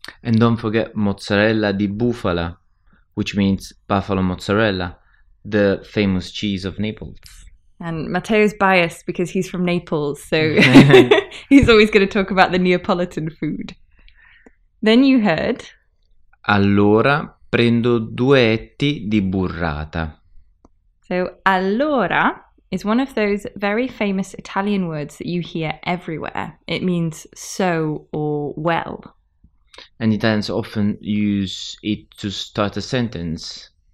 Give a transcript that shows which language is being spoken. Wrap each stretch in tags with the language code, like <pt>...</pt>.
<en>And don't forget mozzarella di bufala, which means buffalo mozzarella, the famous cheese of Naples. And Matteo's biased because he's from Naples, so he's always going to talk about the Neapolitan food. Then you heard...</en> <it>Allora prendo due etti di burrata.</it> <en>So allora is one of those very famous Italian words that you hear everywhere. It means so or well. And Italians often use it to start a sentence.</en>